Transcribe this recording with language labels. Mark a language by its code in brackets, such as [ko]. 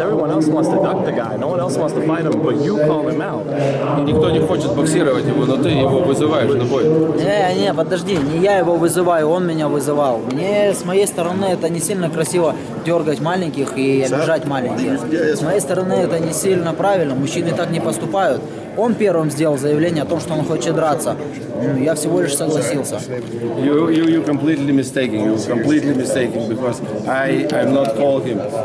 [en] Everyone else wants to duck the guy. No one else wants to fight him, but you call him out. [ru] Никто не хочет боксировать его, но ты его вызываешь на бой. Не, подожди, не я его вызываю, он меня вызывал. Мне с моей стороны это не сильно красиво дергать маленьких и обижать маленьких. С моей стороны это не сильно правильно. Мужчины так не поступают. Он первым сделал заявление о том, что он хочет драться. Я всего лишь согласился. [en] You completely mistaken. You completely mistaken because I'm not called him.